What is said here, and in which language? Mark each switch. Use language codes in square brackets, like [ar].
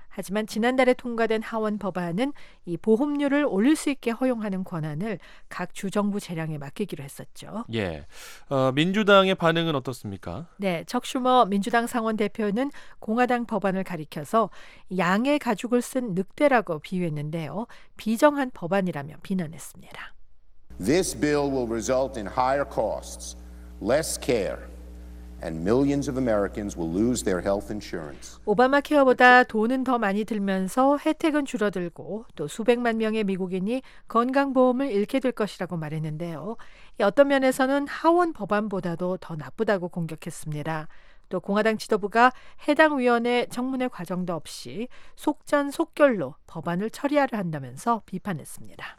[ko] 하지만 지난달에 통과된 하원 법안은 이 보험료를 올릴 수 있게 허용하는 권한을 각 주정부 재량에 맡기기로 했었죠. 예, 민주당의 반응은 어떻습니까? 네, 척 슈머 민주당 상원 대표는 공화당 법안을 가리켜서 양의 가죽을 쓴 늑대라고 비유했는데요. 비정한 법안이라며 비난했습니다. [en] This bill will result in higher costs, less care. And millions of Americans will lose their health insurance. [ko] 오바마 케어보다 돈은 더 많이 들면서 혜택은 줄어들고 또 수백만 명의 미국인이 건강보험을 잃게 될 것이라고 말했는데요. 어떤 면에서는 하원 법안보다도 더 나쁘다고 공격했습니다. 또 공화당 지도부가 해당 위원회 청문회 과정도 없이 속전속결로 법안을 처리하려 한다면서 비판했습니다.